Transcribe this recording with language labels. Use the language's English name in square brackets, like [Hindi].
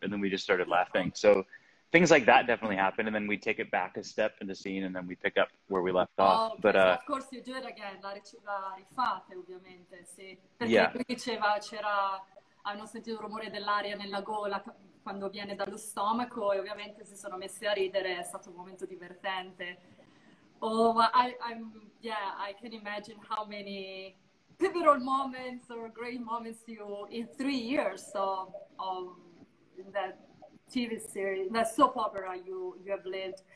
[English] And then we just started laughing. So things like that definitely happen, and then we take it back a step in the scene, and then we pick up where we left off. But of course you do it again, [Italian] la rifate ovviamente, sì, perché lui diceva c'era, hanno sentito il rumore dell'aria nella gola quando viene dallo stomaco, e ovviamente si sono messi a ridere, è stato un momento divertente. [English] Oh, I can imagine how many pivotal moments or great moments in 3 years of that TV series, that soap opera you have lived.